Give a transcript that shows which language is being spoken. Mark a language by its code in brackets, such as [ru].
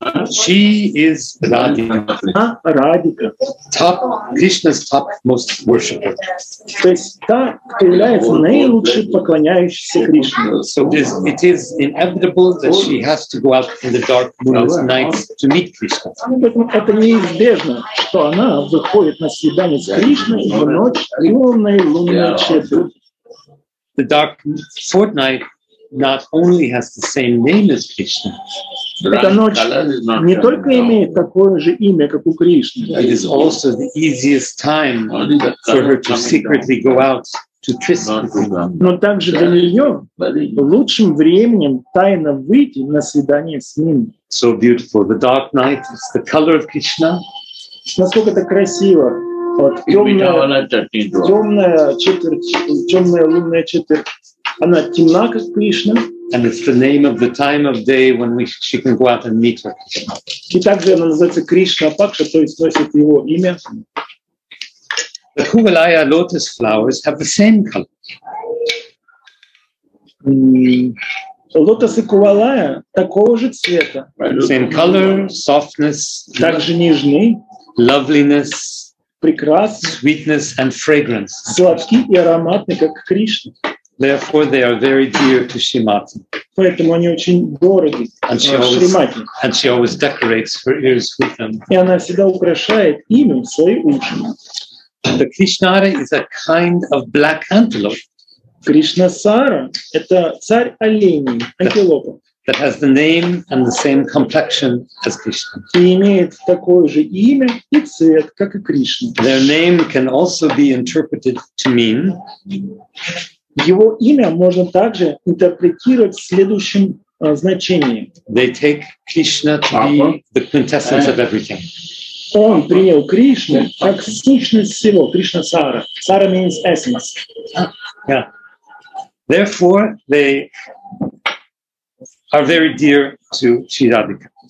[en] She is Radhika. Radhika. Top, Krishna's topmost worshipper. [ru] То есть та, кто является наилучшей поклоняющейся Кришне. [en] So it is inevitable that she has to go out in the dark moonless night to meet Krishna. [ru] Поэтому это неизбежно, что она выходит на свидание с Кришной в ночь темной лунной четверти. [en] The dark fortnight not only has the same name as Krishna. [ru] Эта ночь не только имеет такое же имя, как у Кришны. [en] It is also the easiest time for her to secretly go out to Krishna. [ru] Но также для нее лучшим временем тайно выйти на свидание с ним. [en] So beautiful, the dark night is the color of Krishna. [ru] Насколько это красиво. Вот темная лунная четверть, она темна, как Кришна. [en] And it's the name of the time of day when she can go out and meet her. [ru] И также она называется Кришна Пакша, то есть носит его имя. [en] The Kuvalaya lotus flowers have the same color. [ru] Лотосы Кувалая такого же цвета. [en] Same color, softness. [ru] Также нежный. [en] Loveliness. [ru] Прекрасный. [en] Sweetness and fragrance. [ru] Сладкий и ароматный, как Кришна. [en] Therefore, they are very dear to Shrimati. [ru] Поэтому они очень дороги Шримати. [en] And she always decorates her ears with them. [ru] И она всегда украшает ими свои уши. [en] The Krishnara is a kind of black antelope. [ru] Кришнасара — это царь оленей, антилопа. [en] That has the name and the same complexion as Krishna. [ru] И имеет такое же имя и цвет, как и Кришна. [en] Their name can also be interpreted to mean. [ru] Его имя можно также интерпретировать следующим значением. [en] They take Krishna to be the quintessence of everything. [ru] Он принял Кришну как сущность всего. [en] Кришна Сара. Сара means essence. Yeah. Therefore, they are very dear to Sri Radhika.